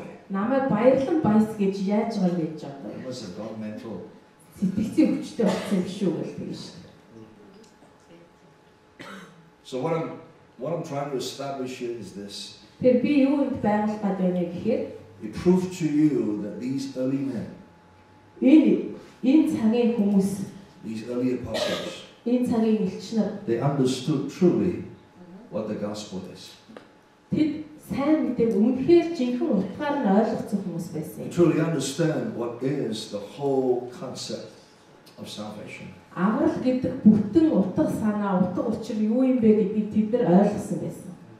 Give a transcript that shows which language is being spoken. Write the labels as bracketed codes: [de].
[mn] Намайг баярлан баяс гэж яаж байгаа юм гэж бодлоо. Сэтгэлийн хүчтэй болсон биш үү гэж тийм шээ. [en] So what I'm trying to establish is this. [mn] Тэр би юу юм байгуулах гэж байна гэхээр [en] it proved to you that these early men. [mn] Энэ цагийн хүмүүс [en] these early apostles. [mn] Эн цагийн элчнэр [en] they understood truly what the gospel is. [mn] Тэд сайн мэдээг үнэхээр жинхэнэ утгаар нь ойлгосон хүмүүс байсан. [en] Truly understand what is the whole concept of salvation. [mn] аврал гэдэг бүтэн утга санаа, утга учир юу юм бэ гэдгийг тэд нар ойлгосон байсан.